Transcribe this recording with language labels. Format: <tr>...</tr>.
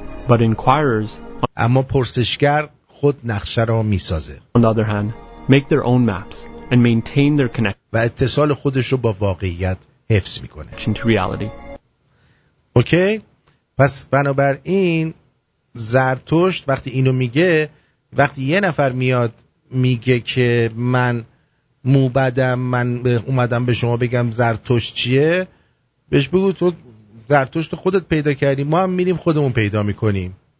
<en>But inquirers</en> <fa>اما پرسشگر خود نقشه را می‌سازد.</fa> <en>On the other hand, make their own maps and maintain their connection.</en> <fa>و اتصال خودش رو با واقعیت حفظ می‌کنه.</fa> <en>Into reality.</en> <fa>اوکی؟ پس بنابراین زرتشت وقتی اینو میگه، وقتی یه نفر میاد میگه که من موبدم، من اومدم به شما بگم زرتشت چیه، بهش بگو تو زرتشت خودت پیدا کردی، ما هم میریم خودمون پیدا میکنیم.</fa>